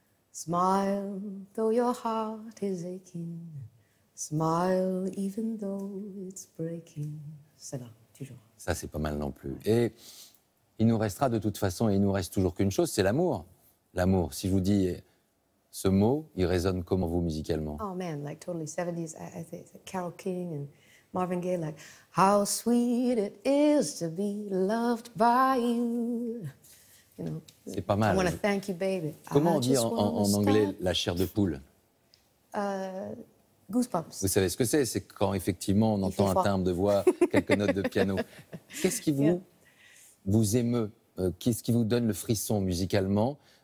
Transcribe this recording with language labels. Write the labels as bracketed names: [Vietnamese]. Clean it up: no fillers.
[English] Smile, though your heart is aching. Smile, even though it's breaking. [French] C'est là, toujours. Ça, c'est pas mal non plus. Et il nous restera de toute façon, et il nous reste toujours qu'une chose, c'est l'amour. L'amour, si je vous dis ce mot, il résonne comment vous musicalement? [English] Oh man, like totally 70s, I think it's like Carole King and Marvin Gaye, like how sweet it is to be loved by you. You know, [French] c'est pas mal. [English] I want to thank you, baby. [French] Comment on dit en anglais la chair de poule? [English] Goosebumps. [French] Vous savez ce que c'est? C'est quand effectivement on entend un timbre de voix, quelques notes de piano. Qu'est-ce qui vous émeut? Qu'est-ce qui vous donne le frisson musicalement?